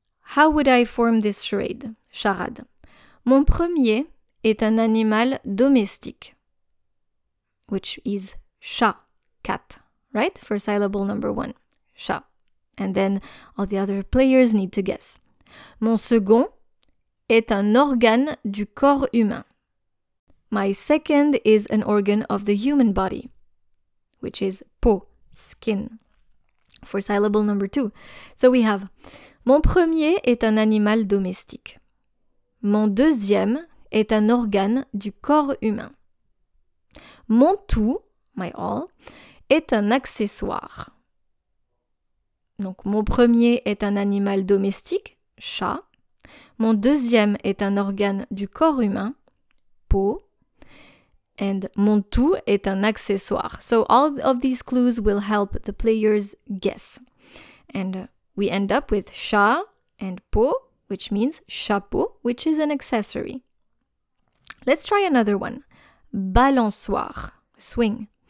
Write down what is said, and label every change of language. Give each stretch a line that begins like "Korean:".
English: How would I form this charade? Charade.
French: Mon premier est un animal domestique.
English: Which is chat, cat, right? For syllable number one, chat. And then all the other players need to guess.
French: Mon second est un organe du corps humain.
English: My second is an organ of the human body, which is peau, skin. For syllable number two. So we have,
French: mon premier est un animal domestique. Mon deuxième est un organe du corps humain. Mon tout,
English: my all,
French: est un accessoire. Donc, mon premier est un animal domestique, chat. Mon deuxième est un organe du corps humain, peau. And mon tout est un accessoire.
English: So all of these clues will help the players guess. And we end up with chat and peau, which means chapeau, which is an accessory. Let's try another one. Balançoire, swing.